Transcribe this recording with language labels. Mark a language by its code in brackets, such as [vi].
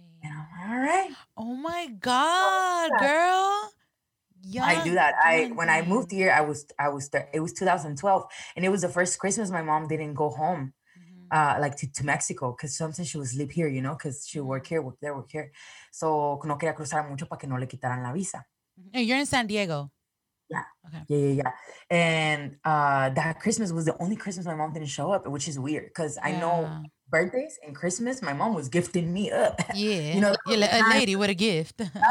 [en] All right. Oh my God, girl. Young I do that. I when I moved here, I was there. It was 2012, and it was the first Christmas my mom didn't go home, like to Mexico, because sometimes she would sleep here, you know, because she worked here. [es] So no quería cruzar mucho para que no le quitaran la visa. [en] And you're in San Diego. Yeah. Okay. Yeah. And that Christmas was the only Christmas my mom didn't show up, which is weird because I know. Birthdays and Christmas, my mom was gifting me up. Yeah, you know, a lady with a gift.